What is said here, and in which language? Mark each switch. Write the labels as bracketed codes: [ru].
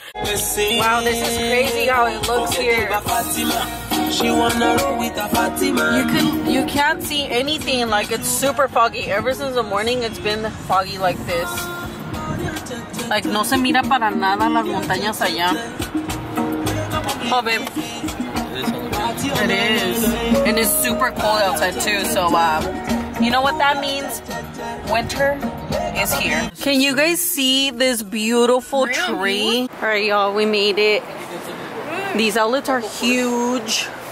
[en] missing. Wow, this is crazy how it looks here. She wanna roll with the Fatima. You can't see anything, like it's super foggy. Ever since the morning it's been foggy like this. [es] Like no se mira para nada las montañas allá. [en] Oh babe. It is. And it's super cold outside too, so you know what that means? Winter is here. Can you guys see this beautiful tree? Alright y'all, we made it. These outlets are huge.